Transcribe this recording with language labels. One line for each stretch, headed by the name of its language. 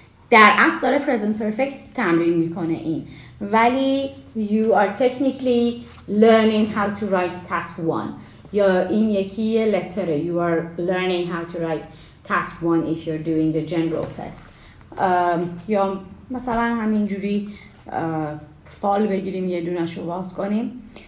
Persian: در اصل داره present perfect تمرین میکنه این.
English: ولی you are technically learning how to write task 1.
Persian: یا این یکی letter.
English: You are learning how to write task 1 if you're doing the general test.
Persian: یا مثلا همینجوری فال بگیریم یه دونه شو باز کنیم.